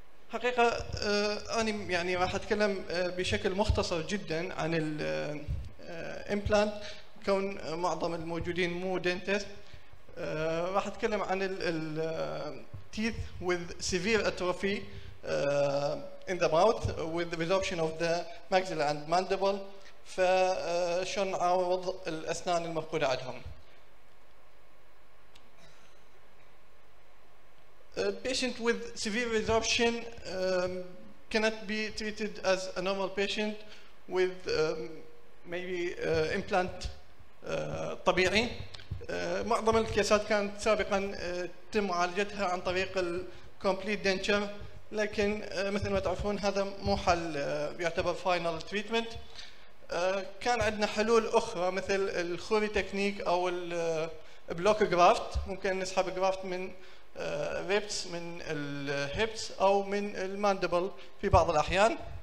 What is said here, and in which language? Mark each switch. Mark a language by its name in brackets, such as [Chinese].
[Arabic] حقيقة انا يعني راح اتكلم بشكل مختصر جدا عن الامبلانت كون معظم الموجودين مو دنتست. راح اتكلم عن التيث [English] with severe atrophy in the mouth with resorption of the maxilla and mandible. [Arabic] فشون نعوض الأسنان المفقودة عندهم. [English] patient with severe resorption cannot be treated as a normal patient with maybe implant [Arabic] طبيعي. معظم الكيسات كانت سابقا تم معالجتها عن طريق ال [English] complete denture، [Arabic] لكن مثل ما تعرفون هذا مو حل، يعتبر [English] final treatment. [Arabic] كان عندنا حلول اخرى مثل الخوري تكنيك او البلوك جرافت، ممكن نسحب جرافت من ريبس، من الهيبس او من الماندبل في بعض الاحيان.